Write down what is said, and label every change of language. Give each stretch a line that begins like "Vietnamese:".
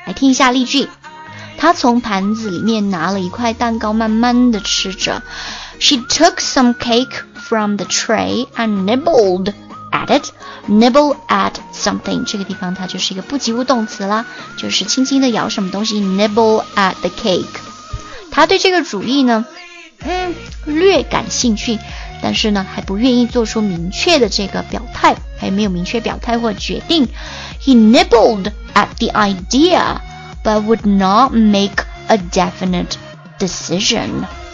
Chinese: 来听一下例句，他从盘子里面拿了一块蛋糕慢慢的吃着。
English: She took some cake from the tray and nibbledat it, nibble at something.
Chinese: 这个地方它就是一个不及物动词了，就是轻轻的咬什么东西，
English: nibble at the cake.
Chinese: 他对这个主意呢，略感兴趣，但是呢还不愿意做出明确的这个表态，还没有明确表态或决定。
English: He nibbled at the idea, but would not make a definite decision.